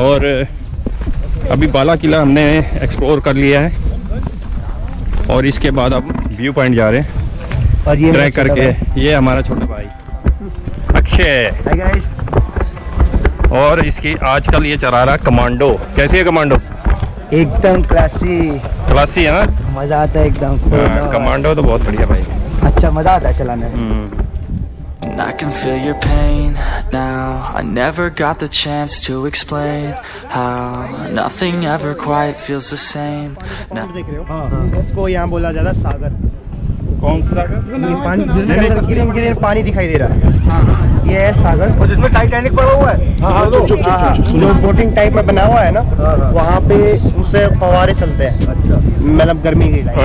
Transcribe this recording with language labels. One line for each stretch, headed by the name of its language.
Hindi: और अभी बाला किला हमने एक्सप्लोर कर लिया है और इसके बाद अब व्यू पॉइंट जा रहे हैं ट्रैक करके। ये हमारा छोटा भाई अक्षय। Hi guys. और इसकी आजकल ये चला रहा कमांडो। कैसी है कमांडो? एकदम क्लासी क्लासी है ना? मजा आता है एकदम। कमांडो तो बहुत बढ़िया भाई। अच्छा मजा आता है चलाने।
English: And I can feel your pain now. I never got the chance to explain how nothing ever quite feels the same.
Hindi: Now इसको यहाँ बोला जाता सागर। कौन सा सागर? ये पानी जिसमें ग्रीन ग्रीन पानी दिखाई दे रहा है, ये है सागर। और जिसमें टाइटैनिक पड़ा हुआ है। हाँ हाँ चुप चुप चुप। जो बोटिंग टाइप में बना हुआ है ना, वहाँ पे उसे फवारे चलते हैं, मतलब गर्मी के लिए।